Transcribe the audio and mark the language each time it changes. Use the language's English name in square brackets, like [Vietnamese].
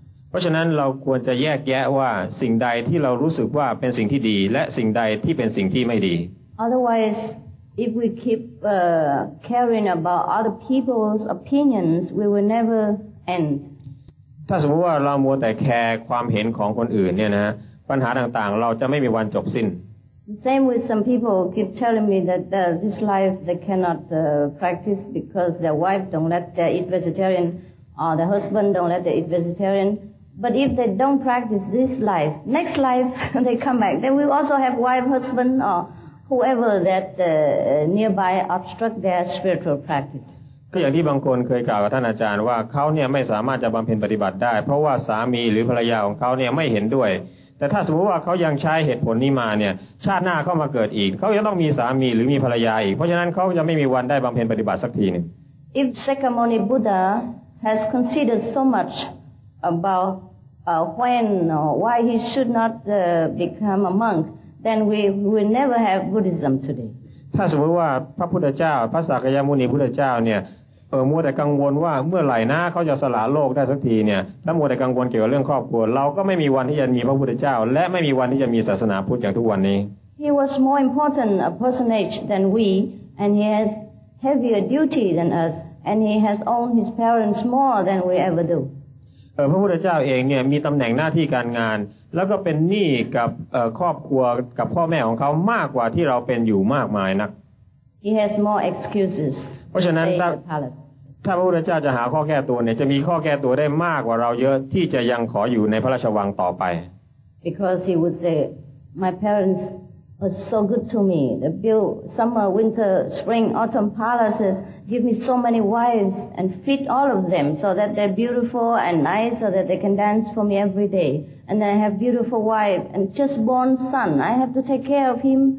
[Thai] เพราะฉะนั้นเราควรจะแยกแยะว่าสิ่งใดที่เรารู้สึกว่าเป็นสิ่งที่ดีและสิ่งใดที่เป็นสิ่งที่ไม่ดี [English] OtherwiseIf we keep caring about other people's opinions, we will never end. [Thai] ถ้าสมมติว่าเรามัวแต่แคร์ความเห็นของคนอื่นเนี่ยนะปัญหาต่างๆเราจะไม่มีวันจบสิ้น [English] The same with some people keep telling me that this life they cannot practice because their wife don't let them eat vegetarian or their husband don't let them eat vegetarian. But if they don't practice this life, next life they come back, they will also have wife, husband, orWhoever that nearby obstruct their spiritual practice. [Thai] ก็อย่างที่บางคนเคยกล่าวกับท่านอาจารย์ว่าเขาเนี่ยไม่สามารถจะบำเพ็ญปฏิบัติได้เพราะว่าสามีหรือภรรยาของเขาเนี่ยไม่เห็นด้วยแต่ถ้าสมมติว่าเขายังใช้เหตุผลนี้มาเนี่ยชาติหน้าเขามาเกิดอีกเขาจะต้องมีสามีหรือมีภรรยาอีกเพราะฉะนั้นเขาจะไม่มีวันได้บำเพ็ญปฏิบัติสักทีนึง [English] If Shakyamuni Buddha has considered so much about when or why he should not become a monk. Then we will never have Buddhism today. [Thai] ถ้าสมมติว่าพระพุทธเจ้าพระสักยมุนีพุทธเจ้าเนี่ยมัวแต่กังวลว่าเมื่อไหร่นะเขาจะสละโลกได้สักทีเนี่ยถ้ามัวแต่กังวลเกี่ยวกับเรื่องครอบครัวเราก็ไม่มีวันที่จะมีพระพุทธเจ้าและไม่มีวันที่จะมีศาสนาพุทธอย่างทุกวันนี้ [English] He was more important a personage than we, and he has heavier duty than us, and he has owned his parents more than we ever do. [Thai] พระพุทธเจ้าเองเนี่ยมีตำแหน่งหน้าที่การงานแล้วก็เป็นหนี้กับครอบครัวกับพ่อแม่ของเขามากกว่าที่เราเป็นอยู่มากมายนัก [English] He has more excuses. [Thai] เพราะฉะนั้นถ้าพระพุทธเจ้าจะหาข้อแก้ตัวเนี่ยจะมีข้อแก้ตัวได้มากกว่าเราเยอะที่จะยังขออยู่ในพระราชวังต่อไป [English] Because he would say my parents were so good to me. They built summer, winter, spring, autumn palaces, give me so many wives and feed all of them so that they're beautiful and nice so that they can dance for me every day. And I have beautiful wife and just born son. I have to take care of him.